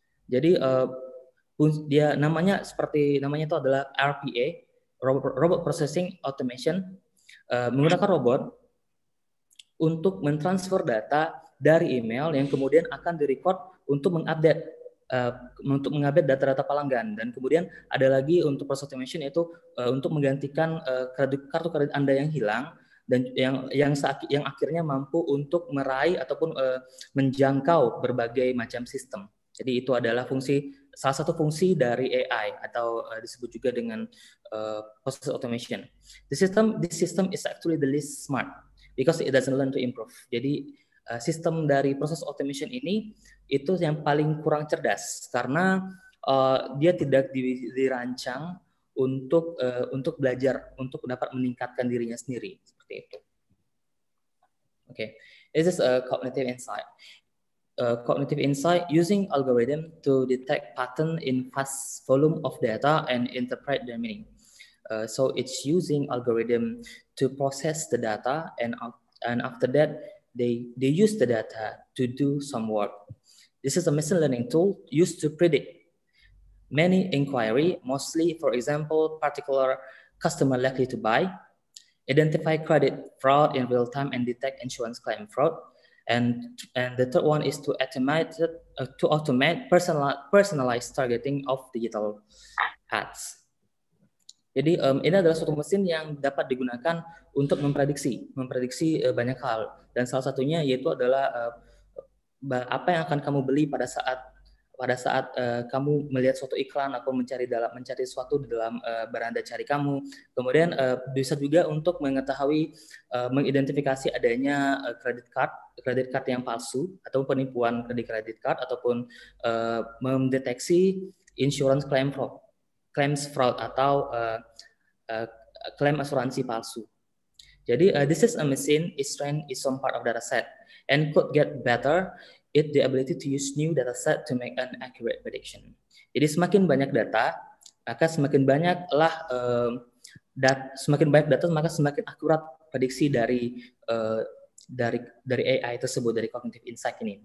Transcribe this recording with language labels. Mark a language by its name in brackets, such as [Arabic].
[Indonesian] Jadi, dia namanya seperti namanya itu adalah RPA, Robot Processing Automation, menggunakan robot untuk mentransfer data dari email yang kemudian akan direcord untuk mengupdate data-data pelanggan, dan kemudian ada lagi untuk process automation yaitu untuk menggantikan kartu kredit Anda yang hilang dan yang akhirnya mampu untuk meraih ataupun menjangkau berbagai macam sistem. Jadi itu adalah fungsi, salah satu fungsi dari AI atau disebut juga dengan process automation. [English] This system is actually the least smart because it doesn't learn to improve. [Indonesian] Jadi sistem dari proses automation ini itu yang paling kurang cerdas karena dia tidak dirancang untuk belajar, untuk dapat meningkatkan dirinya sendiri, seperti itu. [English] Oke, okay. This is a cognitive insight. Cognitive insight using algorithm to detect pattern in vast volume of data and interpret their meaning. So it's using algorithm to process the data and after that they use the data to do some work. This is a machine learning tool used to predict many inquiry, mostly, for example, particular customer likely to buy, identify credit fraud in real time and detect insurance claim fraud. And the third one is to automate personalized targeting of digital ads. [Indonesian] Jadi ini adalah suatu mesin yang dapat digunakan untuk memprediksi banyak hal, dan salah satunya yaitu adalah apa yang akan kamu beli pada saat kamu melihat suatu iklan atau mencari suatu di dalam beranda cari kamu. Kemudian bisa juga untuk mengetahui mengidentifikasi adanya credit card yang palsu atau penipuan credit card ataupun mendeteksi insurance claims fraud atau klaim asuransi palsu. [English] Jadi this is a machine, its strength is some part of data set and could get better. It the ability to use new data set to make an accurate prediction. [Indonesian] Jadi semakin banyak data, maka semakin banyaklah semakin akurat prediksi dari AI tersebut, dari cognitive insight ini.